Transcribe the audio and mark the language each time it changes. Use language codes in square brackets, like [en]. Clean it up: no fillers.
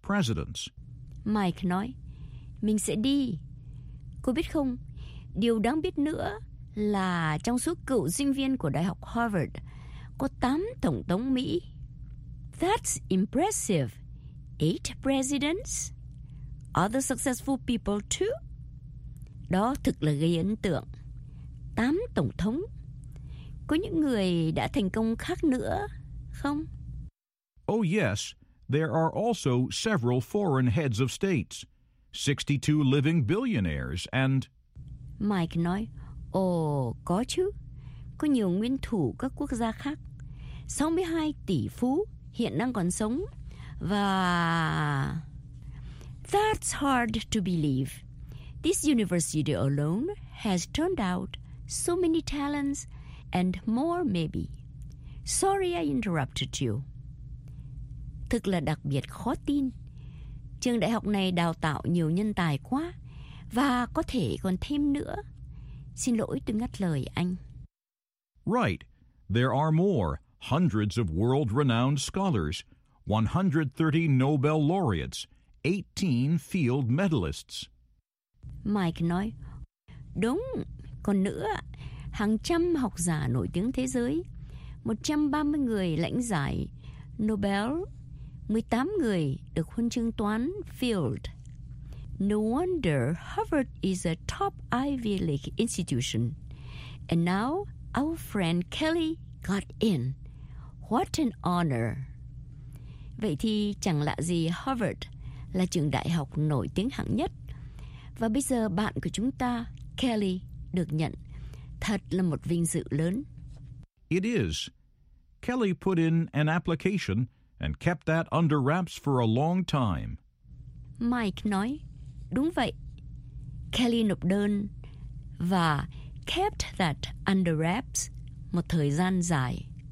[en] presidents. [vi] Mike nói, mình sẽ đi. Cô biết không, điều đáng biết nữa là trong số cựu sinh viên của Đại học Harvard, có 8 tổng thống Mỹ. [en] That's impressive. 8 presidents? Other successful people too? [vi] Đó thực là gây ấn tượng. 8 tổng thống. Có những người đã thành công khác nữa, không? [en] Oh yes, there are also several foreign heads of states. 62 living billionaires and... [vi] Mike nói, ồ, có chứ. Có nhiều nguyên thủ các quốc gia khác. 62 tỷ phú hiện đang còn sống. Và... [en] That's hard to believe. This university alone has turned out so many talents and more maybe. Sorry I interrupted you. [vi] Thực là đặc biệt khó tin. Trường đại học này đào tạo nhiều nhân tài quá và có thể còn thêm nữa. Xin lỗi tôi ngắt lời anh. [en] Right. There are more. Hundreds of world-renowned scholars, 130 Nobel laureates, 18 field medalists. [vi] Mike nói, đúng, còn nữa, hàng trăm học giả nổi tiếng thế giới, 130 người lãnh giải Nobel, 18 người được huân chương toán Field. [en] No wonder Harvard is a top Ivy League institution. And now our friend Kelly got in. What an honor. [vi] Vậy thì chẳng lạ gì Harvard là trường đại học nổi tiếng hạng nhất. Và bây giờ bạn của chúng ta, Kelly, được nhận. Thật là một vinh dự lớn. [en] It is. Kelly put in an application and kept that under wraps for a long time. [vi] Mike nói, đúng vậy. Kelly nộp đơn và [en] kept that under wraps [vi] một thời gian dài.